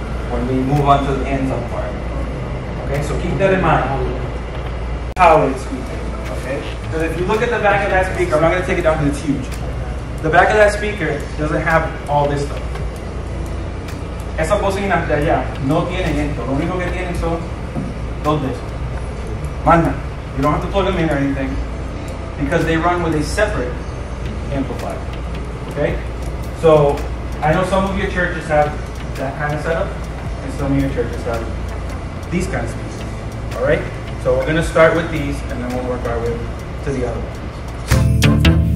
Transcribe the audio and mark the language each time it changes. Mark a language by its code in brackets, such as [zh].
[en] when we move on to the anthem part. Okay, so keep that in mind. How it's speaking, okay? Because if you look at the back of that speaker, I'm not going to take it down because it's huge. The back of that speaker doesn't have all this stuff. [es] Esa bocina de allá no tiene esto. Lo único que tiene son dos de estos. Manda. [en] You don't have to plug them in or anything because they run with a separate amplifier. Okay? So I know some of your churches have that kind of setup and some of your churches have these kinds of pieces. All right? So we're going to start with these and then we'll work our way to the other ones.